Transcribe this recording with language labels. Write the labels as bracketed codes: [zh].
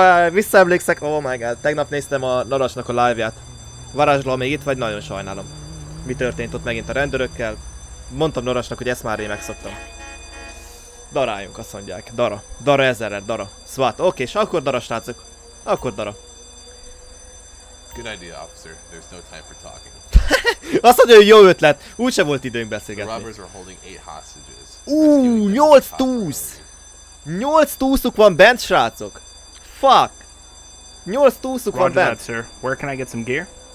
[hu] Visszaemlékszek, [en] oh my god, [hu] tegnap néztem a Narasnak a live-ját. Varázsló, még itt vagy, nagyon sajnálom. Mi történt ott megint a rendőrökkel? Mondtam Narasnak, hogy ezt már én megszoktam. Daráljunk, azt mondják. Dara ezerre, dara. SWAT. Oké, és akkor dara, srácok. Akkor dara. [en] Good idea, officer. There's no time for talking. [hu] Azt mondja, hogy jó ötlet. Úgyse volt időnk beszélgetni. [en] The robbers were holding 8 hostages. [hu] 8-20! 8-20-uk van bent, srácok. Fuck. 8-20-uk van bent. [en] Roger that, sir. Where can I get some gear?